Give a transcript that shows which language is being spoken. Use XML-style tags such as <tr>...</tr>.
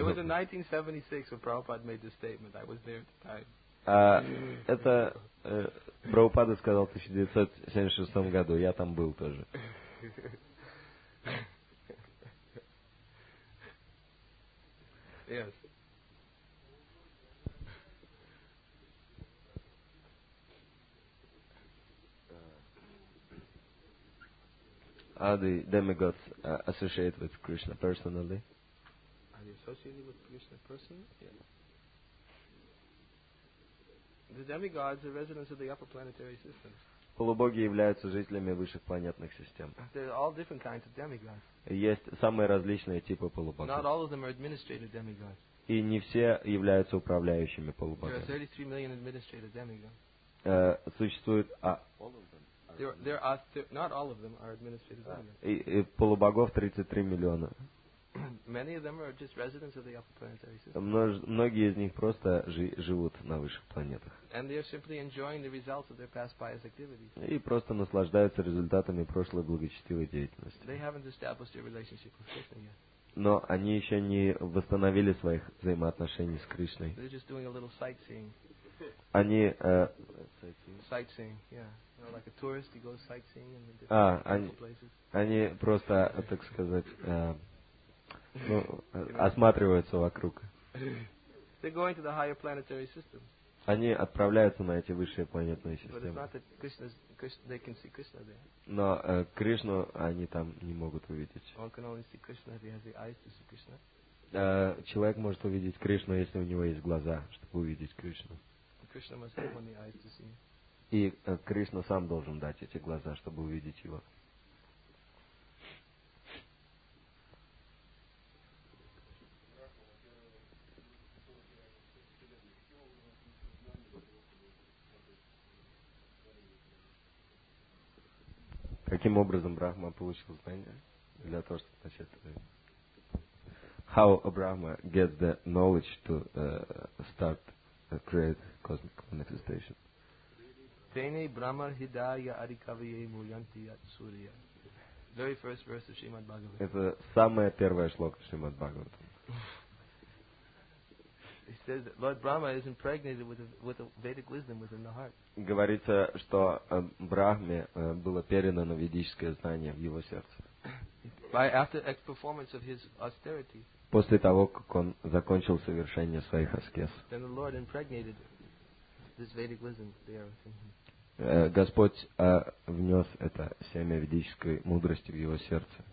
<ru>вопрос.</ru> <en>It was in 1976 when Prabhupada made this statement. I was there at the time.</en> <ru>Это Прабхупада сказал в 1976 году. Я там был тоже.</ru> <en>Yes. Are the demigods associated with Krishna personally? Are they associated with Krishna personally? Yeah. The demigods are residents of the upper planetary systems.</en> <ru>Полубоги являются жителями высших планетных систем.</ru> <en>There are all different kinds of demigods.</en> <ru>Есть самые различные типы полубогов.</ru> <en>Not all of them are administrative demigods.</en> <ru>И не все являются управляющими полубогами.</ru> <en>There are 33 million administrative demigods.</en> <ru>Существует...</ru> <en>All of them. Not all of them are administrative demigods.</en> <ru>И полубогов 33 миллиона.</ru> <en>Many of them are just residents of the upper planetary system.</en> <ru>Многие из них просто живут на высших планетах.</ru> <en>And they are simply enjoying the results of their past pious activities.</en> <ru>И просто наслаждаются результатами прошлой благочестивой деятельности.</ru> <en>They haven't established a relationship with Krishna yet.</en> <ru>Но они еще не восстановили своих взаимоотношений с Кришной.</ru> <en>They're just doing a little sightseeing.</en> <ru>Они</ru> <en>sightseeing, yeah. You know, like a tourist, he goes sightseeing in different places.</en> <ru>Они просто, так сказать, ну, осматриваются вокруг.</ru> <en>They're going to the higher planetary systems.</en> <ru>Они отправляются на эти высшие планетные системы.</ru> <en>But it's not that Krishna, they can see Krishna there.</en> <ru>Но Кришну они там не могут увидеть.</ru> <en>One can only see Krishna if he has the eyes to see Krishna.</en> <ru>Человек может увидеть Кришну, если у него есть глаза, чтобы увидеть Кришну.</ru> <en>Krishna must have only eyes to see.</en> <ru>И Кришна сам должен дать эти глаза, чтобы увидеть его. Каким образом Брахма получил знание для того, чтобы начать</ru> <en>how a Brahma gets the knowledge to start create cosmic manifestation.</en> <sa>Tene Brahma Hidaya Adikavye Muyanti Surya.</sa> <en>Very first verse of Srimad Bhagavatam.</en> <ru>Это самое первое шлока Шримад Бхагаватам.</ru> <en>It says that Lord Brahma is impregnated with a Vedic wisdom within the heart.</en> <ru>Говорится, что Брахме было передано ведическое знание в его сердце.</ru> <en>By after the performance of his austerity.</en> <ru>После того, как он закончил совершение своих аскез.</ru> <en>Then the Lord impregnated this Vedic wisdom there within him.</en> <ru>Господь внес это семя ведической мудрости в его сердце.</ru>